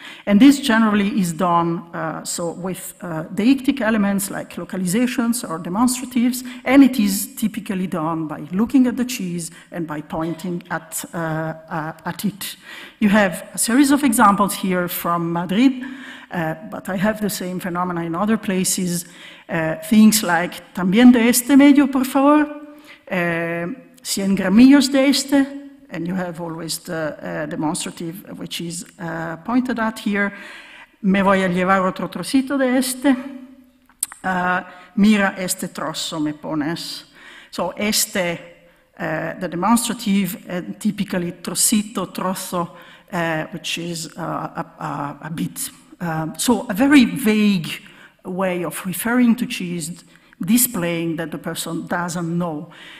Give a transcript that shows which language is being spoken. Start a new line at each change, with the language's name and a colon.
English: And this generally is done so with deictic elements like localizations or demonstratives, and it is typically done by looking at the cheese and by pointing at it. You have a series of examples here from Madrid, but I have the same phenomena in other places. Things like,
Spanish: también de este medio, por favor, 100 gramillos de este.
English: And you have always the demonstrative, which is pointed at here.
Spanish: Me voy a llevar otro trocito de este. Mira este trozo, me pones.
English: So este, the demonstrative, and typically trocito, trozo, which is a bit. So a very vague way of referring to cheese, displaying that the person doesn't know.